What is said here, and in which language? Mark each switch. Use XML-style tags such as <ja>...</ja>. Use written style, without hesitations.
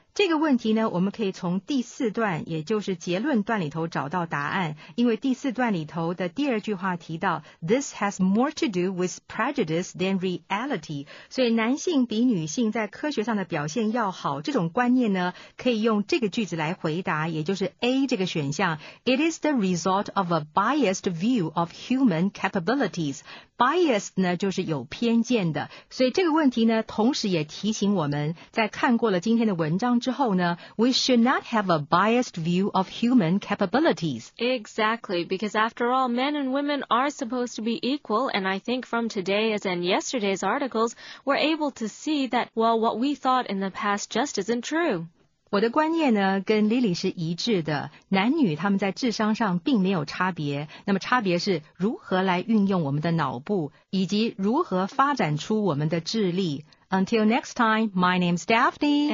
<zh>这个问题呢，我们可以从第四段，也就是结论段里头找到答案。因为第四段里头的第二句话提到</zh> <en>This has more to do with prejudice than reality.</en> <zh>所以男性比女性在科学上的表现要好，这种观念呢，可以用这个句子来回答，也就是 A 这个选项。</zh> <en>It is the result of a biased view of human capabilities.</en> <zh>Biased 呢，就是有偏见的，所以这个问题呢，同时也提醒我们，在看过了今天的文章之后呢 ，</zh> <en>We should not have a biased view of human capabilities. Exactly, because after all, men and women are supposed to be equal, and I think from today's and yesterday's articles, we're able to see that, well, what we thought in the past just isn't true.</en> <zh>我的观念呢跟 Lily 是一致的，男女他们在智商上并没有差别，那么差别是如何来运用我们的脑部，以及如何发展出我们的智力。</zh> <en>Until next time, my name's Daphne.</en>